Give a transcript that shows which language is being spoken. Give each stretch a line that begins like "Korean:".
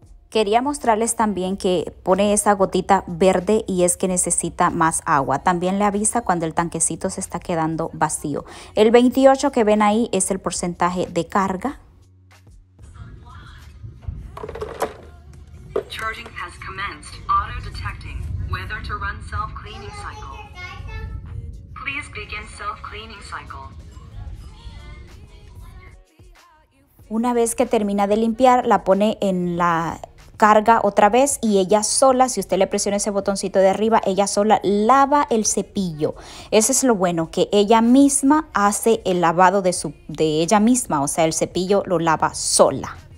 Spanish: Quería mostrarles también que pone esa gotita verde y es que necesita más agua. También le avisa cuando el tanquecito se está quedando vacío. El 28 que ven ahí es el porcentaje de carga.
English: Charging has commenced. Auto detecting whether to run self-cleaning cycle. Please begin self-cleaning cycle.
Spanish: Una vez que termina de limpiar, la pone en la carga otra vez y ella sola, si usted le presiona ese botoncito de arriba, ella sola lava el cepillo. Eso es lo bueno, que ella misma hace el lavado de ella misma, o sea, el cepillo lo lava sola.